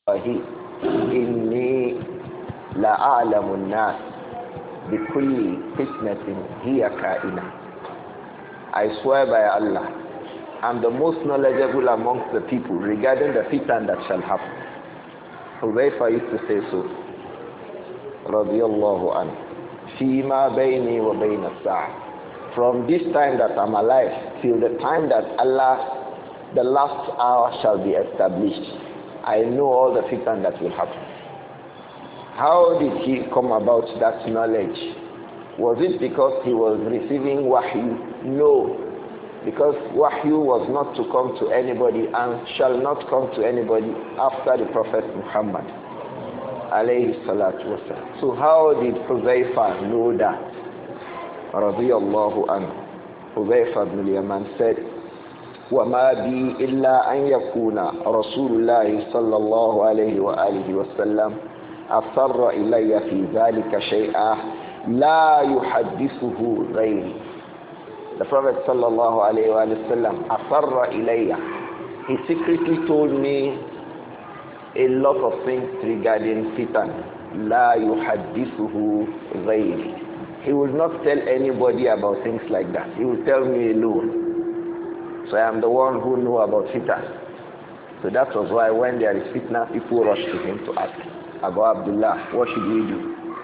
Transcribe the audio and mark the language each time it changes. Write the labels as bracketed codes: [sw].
[ar] والله إني لأعلم الناس بكل فتنة هي كائنة. [en] I swear by Allah, I'm the most knowledgeable amongst the people regarding the fitan that shall happen. Hudhayfa used to say so. [ar] رضي الله عنه. فيما بيني وبين الساعة. [en] From this time that I'm alive till the time that Allah, the last hour shall be established, I know all the fitan that will happen. How did he come about that knowledge? Was it because he was receiving wahyu? No, because wahyu was not to come to anybody and shall not come to anybody after the Prophet Muhammad [ar] alayhi salatu wasalam. [en] So how did Hudhayfa know that? [ar] Radiyallahu anhu. Hudhayfa ibn al-Yaman said, وَمَا بِي إِلَّا أَنْ يَكُونَ رَسُولُ اللَّهِ صَلَّى اللَّهُ عَلَيْهِ وَآلِهِ وَسَلَّمْ أَصَرَّ إِلَيَّ فِي ذَلِكَ شَيْئًا لَا يُحَدِّثُهُ غَيْرِ. The Prophet صلى الله عليه وآله وسلم أَصَرَّ إِلَيَّ. [en] He secretly told me a lot of things regarding fitan. [ar] لَا يُحَدِّثُهُ غَيْرِ. [en] He will not tell anybody about things like that. He will tell me alone. So I am the one who knew about fitan. So that was why when there is fitna, people rush to him to ask, Abu Abdullah, what should we do?